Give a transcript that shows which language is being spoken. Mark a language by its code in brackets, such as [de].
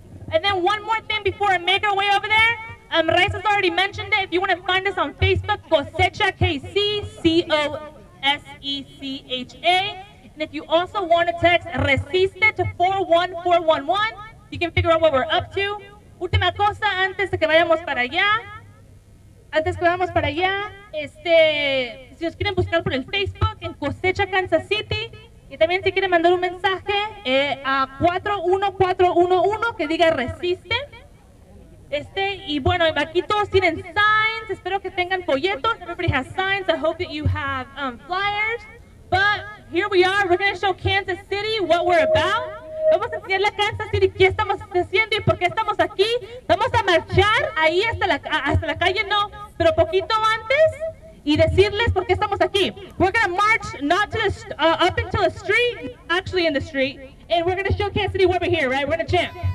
[en] And then one more thing before I make our way over there. Raisa's already mentioned it. If you want to find us on Facebook, Cosecha KC, C-O-S-E-C-H-A. And if you also want to text Resiste to 41411, you can figure out what we're up to. [es] Última cosa, antes de que vayamos para allá. Antes que vayamos para allá, si os quieren buscar por el Facebook, en Cosecha Kansas City. Y también si quieren mandar un mensaje a 41411 que diga Resiste. Y bueno, aquí todos tienen signs. Espero que tengan folletos. [en] Everybody has signs. I hope that you have flyers. But here we are. We're going to show Kansas City what we're about. [es] Vamos a enseñarle a Kansas City qué estamos haciendo y por qué estamos aquí. Vamos a marchar ahí hasta la calle, no, pero poquito antes y decirles por qué estamos aquí. [en] We're going to march not to the up into the street, actually in the street, and we're going to show Kansas City where we're here, right? We're going to chant.